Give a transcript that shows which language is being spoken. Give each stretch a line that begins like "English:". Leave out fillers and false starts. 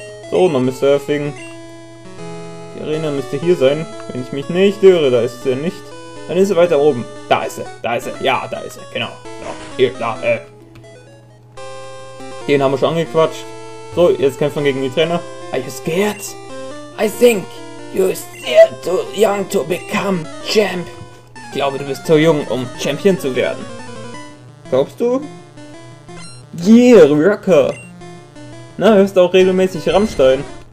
German: So, nochmal Surfing. Die Arena müsste hier sein, wenn ich mich nicht irre, da ist sie nicht. Dann ist sie weiter oben. Da ist sie, da ist sie. Ja, da ist sie, genau. Ja, hier, da, den haben wir schon angequatscht. So, jetzt kämpfen wir gegen die Trainer.
English: Are you scared? I think you're still too young to become champ.
German: Ich glaube, du bist zu jung, um Champion zu werden. Glaubst du?
English: Yeah, Rocker.
German: Na, hörst du auch regelmäßig Rammstein?